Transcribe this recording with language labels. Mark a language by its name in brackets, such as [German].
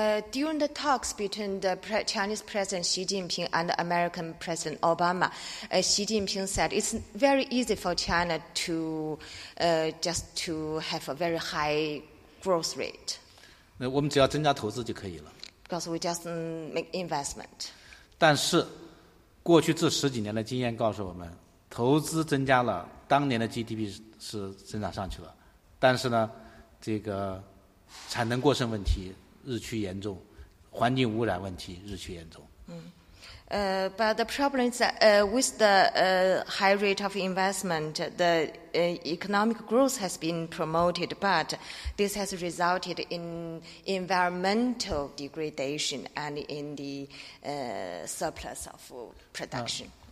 [English] During the talks between the Chinese President Xi Jinping and American President Obama, Xi Jinping said it's very easy for China to just to have a very high growth rate. [Chinese] 那我们只要增加投资就可以了。 [English] Because we just make investment. [Chinese] 但是，过去这十几年的经验告诉我们，投资增加了，当年的 GDP 是增长上去了，但是呢，这个产能过剩问题。日趋严重，环境污染问题日趋严重。 [English] But the problem is that with the high rate of investment, the economic growth has been promoted, but this has resulted in environmental degradation and in the surplus of production.